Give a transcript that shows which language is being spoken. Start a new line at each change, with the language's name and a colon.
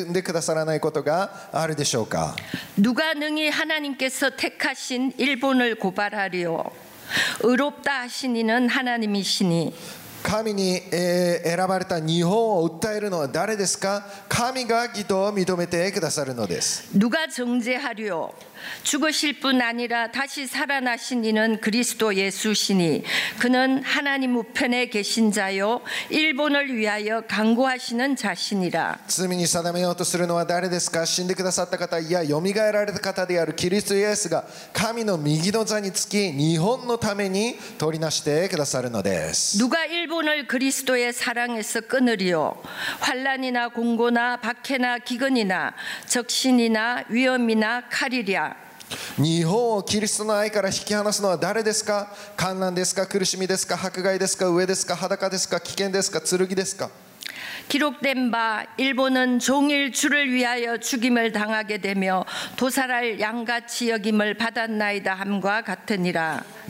Japanese: 私たちすべてのためにご自分の御子をさえ日本のためにご自分の御子をさえ惜しまずに死に渡された方がどうして御子と一緒にすべてのものを日本に恵んでくださらないことがあるでしょうか。
Korean: 누가 능히 하나님께서 택하신 일본을 고발하리요. 의롭다 하신 이는 하나님이시니.
Japanese: 神に選ばれた日本を訴えるのは誰ですか。神が義と認めてくださるのです。
Korean: 누가 정죄하리요. 죽으실 뿐 아니라 다시 살아나신 이는 그리스도 예수시니 그는 하나님 우편에 계신 자요 일본을 위하여 간구하시는 자신이라. 죄를 정하려는 것은 누구인가?
Japanese: 죽으신 분이요 요미가에られた方である キリストイエスが 神の右の座につき 日本のために 取りなしてくださるのです.
Korean: 누가 일본을 그리스도의 사랑에서 끊으리요? 환난이나 곤고나 박해나 기근이나 적신이나 위험이나 칼이랴.
Japanese: 日本をキリストの愛から引き離すのは誰ですか?患難ですか苦しみですか迫害ですか飢えですか裸ですか危険ですか剣ですか?
Korean: 기록된 바 일본은 종일 주를 위하여 죽임을 당하게 되며 도살할 양같이 여김을 받았나이다 함과 같으니라.